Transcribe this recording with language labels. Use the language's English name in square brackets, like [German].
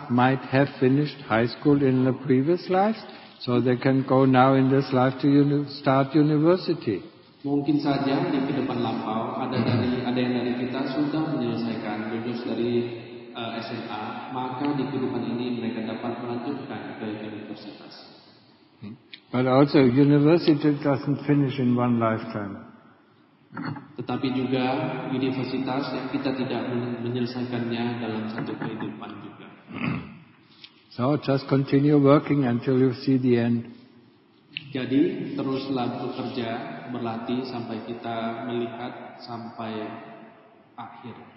[English] might have finished high school in the previous life, so they can go now in this life to start university. [Indonesian] Mungkin saja di kehidupan lampau ada yang dari kita sudah menyelesaikan lulus dari SMA, maka di kehidupan ini mereka dapat melanjutkan ke universitas. [English] But also university doesn't finish in one lifetime. [Indonesian] Tetapi juga universitas yang kita tidak menyelesaikannya dalam satu kehidupan juga. [English] So just continue working until you see the end. [Indonesian] Jadi teruslah bekerja, berlatih sampai kita melihat sampai akhir.